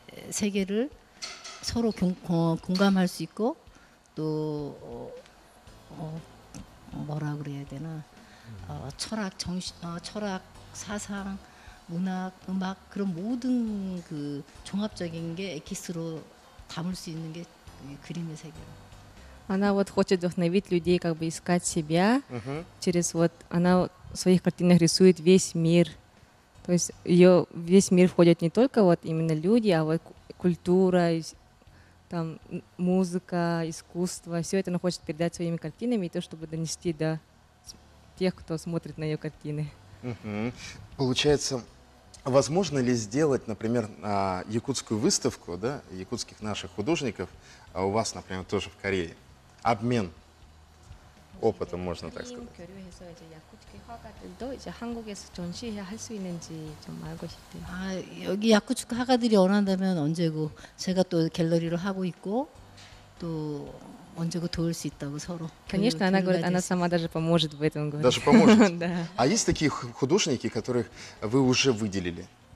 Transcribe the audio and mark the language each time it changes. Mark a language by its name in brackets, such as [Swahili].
[Korean] 세계를 서로 공감할 수 있고 또 뭐라 그래야 되나 철학 정신 철학 사상 문학 음악 그런 모든 그 종합적인 게 엑기스로 담을 수 있는 게 그림의 세계로. [Russian] Она вот хочет вдохновить людей, как бы искать себя через вот она в своих картинах рисует весь мир. То есть ее весь мир входит не только вот именно люди, а вот культура, там музыка, искусство. Все это она хочет передать своими картинами и то, чтобы донести до тех, кто смотрит на ее картины. Получается. Возможно ли сделать, например, якутскую выставку, да, якутских наших художников, а у вас, например, тоже в Корее? Обмен опытом, можно так сказать. [Korean] А, 여기 якутск 화가들이 원한다면 언제고 제가 또 갤러리를 하고 있고 또 언제고 도울 수 있다고 서로. [Russian] Конечно, она говорит, она сама даже поможет в этом году. Даже поможет. Да. А есть такие художники, которых вы уже выделили?